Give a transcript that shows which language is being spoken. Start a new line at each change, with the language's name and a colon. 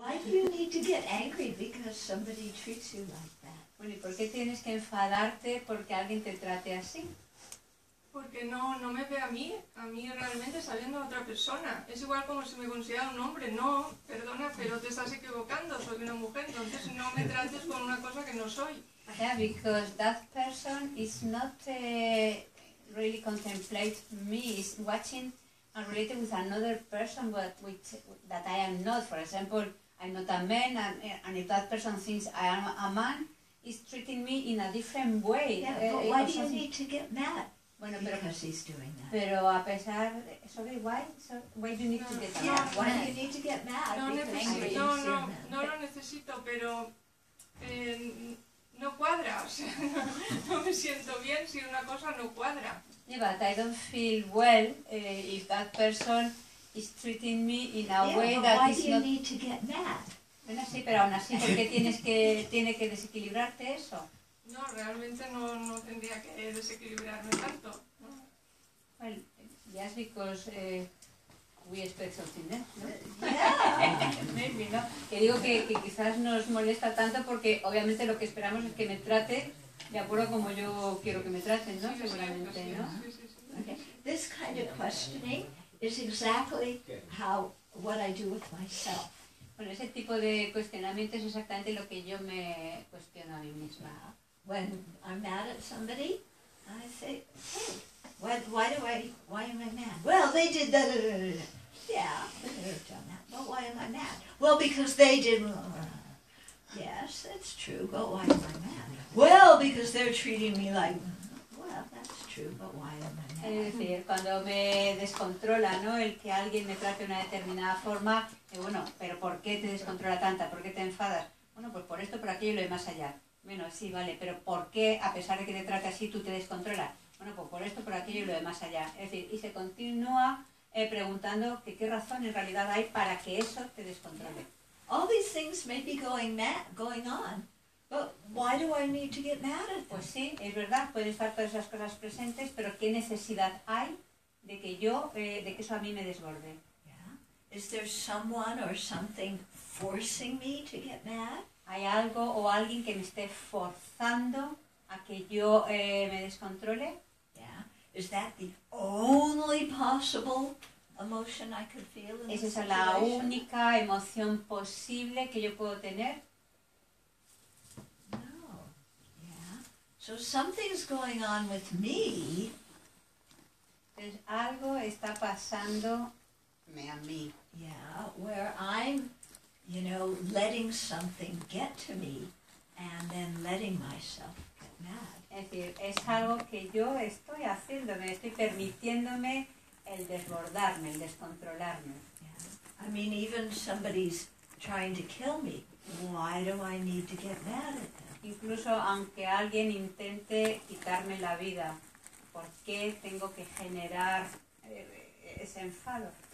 English: need to get angry because somebody treats you like that?
Spanish: Bueno, ¿y por qué tienes que enfadarte porque alguien te trate así? Porque no me ve a mí realmente sabiendo a otra persona. Es igual como si me considerara un hombre. No, perdona, pero te estás equivocando, soy una mujer, entonces no me trates con una cosa que no soy.
English: Yeah, because that person is not really contemplate me, is watching and related with another person that I am not. For example, I'm not a man, and if that person thinks I am a man, is treating me in a different way. Yeah, but why do you need to get mad?
Spanish: Bueno,
English: because he's doing that.
Spanish: Pero a pesar de,
English: sorry, why? So why do you need to get mad? Yeah, why do you need to get mad?
Spanish: No lo necesito, pero no cuadra. O sea, no me siento bien si una cosa no cuadra.
English: Yeah, but I don't feel well if that person is treating me in a way that why is do you not need to get mad?
Spanish: Bueno, sí, pero aún así, ¿por qué tiene que desequilibrarte eso? No, realmente no tendría que desequilibrarme tanto.
English: Well, yes, because we expect something, ¿no? Yeah. Maybe, ¿no?
Spanish: Que digo que quizás nos molesta tanto porque obviamente lo que esperamos es que me trate de acuerdo como yo quiero que me traten, ¿no? Sí, seguramente, sí, ¿no? Sí, sí, sí.
English: Okay. This kind of questioning is exactly what I do with myself.
Spanish: Bueno, ese tipo de cuestionamiento es exactamente lo que yo me cuestiono a mí misma.
English: When I'm mad at somebody, I say, hey, why am I mad? Well, they did that. Yeah, they've done that. But why am I mad? Well, because they did. Yes, that's true, but why am I mad? Well, because they're treating me like. Well, that's true, but why am I mad?
Spanish: Es decir, cuando me descontrola, ¿no? El que alguien me trate de una determinada forma, bueno, pero ¿por qué te descontrola tanta? ¿Por qué te enfadas? Bueno, pues por esto, por aquello y lo de más allá. Bueno, sí, vale, pero ¿por qué, a pesar de que te trate así, tú te descontrolas? Bueno, pues por esto, por aquello y lo de más allá. Es decir, y se continúa preguntando que qué razón en realidad hay para que eso te descontrole.
English: All these things may be going on, but why do I need to get mad at them?
Spanish: Pues sí, es verdad, pueden estar todas esas cosas presentes, pero ¿qué necesidad hay de que yo, de que eso a mí me desborde?
English: Yeah. Is there someone or something forcing me to get mad?
Spanish: ¿Hay algo o alguien que me esté forzando a que yo me descontrole?
English: Yeah. Is that the only possible emotion I could feel in
Spanish: ¿Es esa
English: situation?
Spanish: La única emoción posible que yo puedo tener?
English: No. Yeah. So something's going on with me.
Spanish: Entonces, algo está pasando a mí.
English: Yeah, where I'm you know, letting something get to me and then letting myself get mad.
Spanish: Es decir, es algo que yo estoy haciéndome, estoy permitiéndome el desbordarme, el descontrolarme.
English: Yeah. I mean, even somebody's trying to kill me. Why do I need to get mad at them?
Spanish: Incluso aunque alguien intente quitarme la vida, ¿por qué tengo que generar ese enfado?